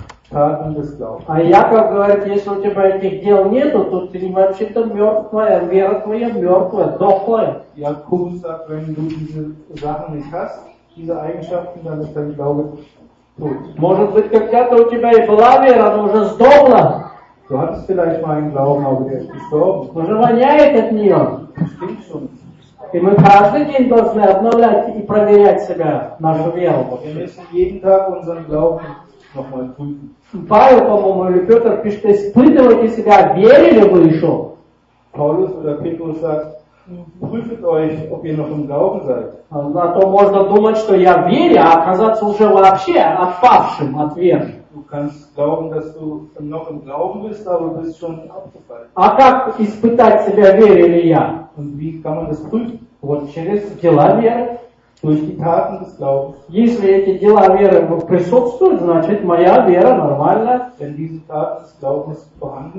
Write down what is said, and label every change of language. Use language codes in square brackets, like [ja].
[ru] А Яков говорит, если у тебя этих дел нету, то ты вообще-то мертвая, вера твоя мертвая, дохлая. Может быть, когда-то у тебя и была вера, но уже сдохла. [de] Du hattest vielleicht mal einen Glauben, aber der ist gestorben. [ru] Уже воняет от нее. [de] Stimmt schon. [ru] И мы каждый день должны обновлять и проверять себя, нашу веру. [de] Wir müssen jeden Tag unseren Glauben nochmal prüfen. [ru] Павел, по-моему, или Петр пишет, испытывайте себя, верили вы еще? [de] Paulus oder Petrus sagt, prüft euch, ob ihr noch im Glauben seid. [ru] А то можно думать, что я верю, а оказаться уже вообще отпавшим от веры. [de] Du kannst glauben, dass du noch im Glauben bist, aber du bist schon abgefallen. [ru] А как испытать себя, верю ли я? [de] Und wie kann man das prüfen? [ru] Вот через дела веры. [de] Durch die Taten des Glaubens. [ru] Если эти дела веры присутствуют, значит моя вера нормальная. [de] Wenn diese Taten des Glaubens vorhanden.